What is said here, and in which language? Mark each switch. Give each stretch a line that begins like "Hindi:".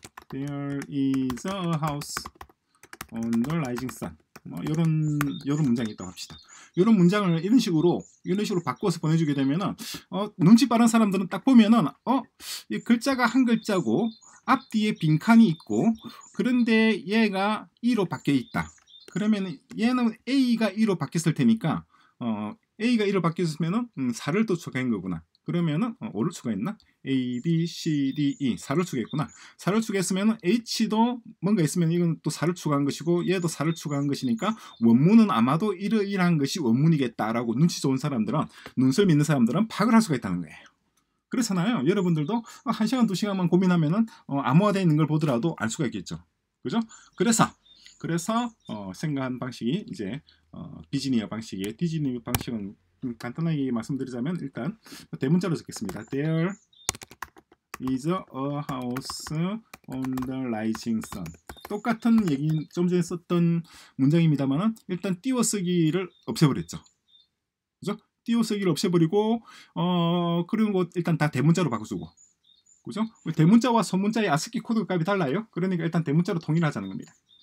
English: There is a house on the rising sun.
Korean: 이런 문장이 있다고 합시다. 이런 문장을 이런 식으로 바꿔서 보내주게 되면은, 눈치 빠른 사람들은 딱 보면은, 이 글자가 한 글자고, 앞뒤에 빈칸이 있고, 그런데 얘가 E로 바뀌어 있다. 그러면 얘는 A가 E로 바뀌었을 테니까, A가 E로 바뀌었으면은, 4를 또 추가한 거구나. 그러면은, 5를 추가했나? A, B, C, D, E. 4를 추가했구나. 4를 추가했으면은, H도 뭔가 있으면 이건 또 4를 추가한 것이고, 얘도 4를 추가한 것이니까, 원문은 아마도 이러이러한 것이 원문이겠다라고 눈치 좋은 사람들은, 눈썰미 있는 사람들은 파악을 할 수가 있다는 거예요. 그렇잖아요. 여러분들도 한 시간, 두 시간만 고민하면은 암호화되어 있는 걸 보더라도 알 수가 있겠죠. 그죠? 그래서 생각한 방식이 이제 디즈니어 방식이에요. 디즈니어 방식은 간단하게 말씀드리자면 일단 대문자로 적겠습니다.
English: There is a house on the rising sun.
Korean: 똑같은 얘기 좀 전에 썼던 문장입니다만은 일단 띄워쓰기를 없애버렸죠. 그죠? 띄어쓰기를 없애버리고 그런 것 일단 다 대문자로 바꿔주고 그죠? 대문자와 소문자의 아스키 코드 값이 달라요. 그러니까 일단 대문자로 통일하자는 겁니다.